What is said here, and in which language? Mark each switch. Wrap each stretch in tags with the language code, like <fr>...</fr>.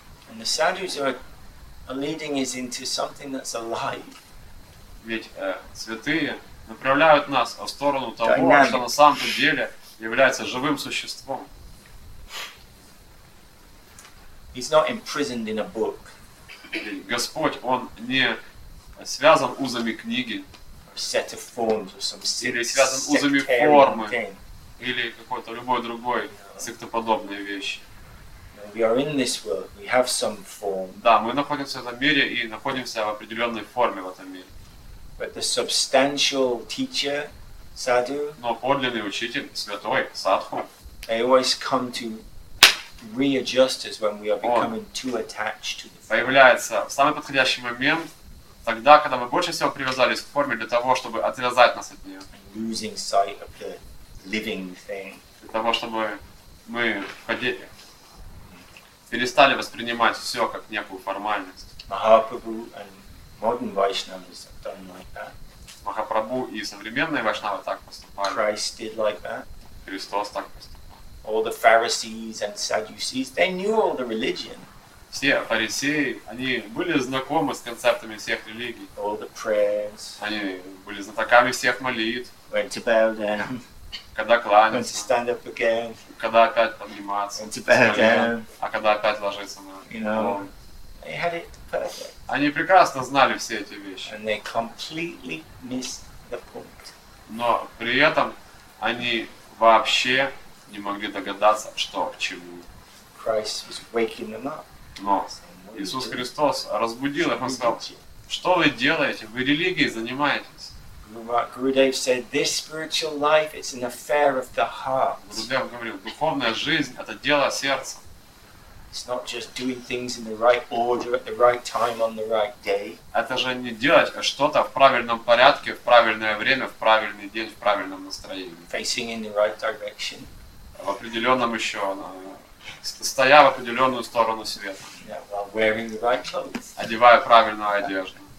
<en>And the sadhus are leading us into something that's alive.</en> <ru>Ведь святые направляют нас в сторону того, Dynamic. Что на самом деле является живым существом.</ru> <en>He's not imprisoned in a book.</en> <ru>Господь, Он не связан узами книги,</ru> <en>set of forms or some</en> <ru>или связан узами формы, или какой-то любой другой сектоподобной вещи.</ru> <en>We are in this world. We have some form.</en> <ru>Да, мы находимся в этом мире и находимся в определенной форме в этом мире.</ru> <en>But the substantial teacher, sadhu.</en> <ru>Но подлинный учитель, святой, садху.</ru> <en>They always come to readjust us when we are becoming too attached to the form.</en> <ru>Появляется в самый подходящий момент, тогда, когда мы больше всего привязались к форме для того, чтобы отвязать нас от нее.</ru> <en>And losing sight of the living thing.</en> <ru>Для того, чтобы мы перестали воспринимать все как некую формальность.</ru> <en>Mahaprabhu and modern Vaishnavas have done like that.</en> <ru>Махапрабху и современные вайшнавы так поступали.</ru> <en>Christ did like that.</en> <ru>Христос так поступал.</ru> <en>All the Pharisees and Sadducees, they knew all the religion.</en> <ru>Все фарисеи, они были знакомы с концептами всех религий.</ru> <en>All the prayers.</en> <ru>Они были знатоками всех молитв.</ru> <en>Went to bow down.</en> <ru>Когда кланяться.</ru> <en>Went to stand up again.</en> <ru>Когда опять подниматься.</ru> <en>Went to bow down.</en> <ru>А когда опять ложиться на.</ru> <en>You know. They had it perfect.</en> <ru>Они прекрасно знали все эти вещи.</ru> <en>And they completely missed the point.</en> <ru>Но при этом они вообще не могли догадаться, что к чему.</ru> <en>Christ was waking them up.</en> <ru>Но Иисус Христос разбудил их и сказал, что вы делаете, вы религией занимаетесь.</ru> <en>Gurudev said, this spiritual life is an affair of the heart.</en> <ru>Гурудев говорил, духовная жизнь это дело сердца.</ru> <en>It's not just doing things in the right order at the right time on the right day.</en> <ru>Это же не делать что-то в правильном порядке, в правильное время, в правильный день, в правильном настроении.</ru> <en>Facing in the right direction.</en> <ru>В определенном еще, стоя в определенную сторону света.</ru> <en>Yeah, while wearing the right clothes.</en> <ru>Одевая правильную одежду.</ru>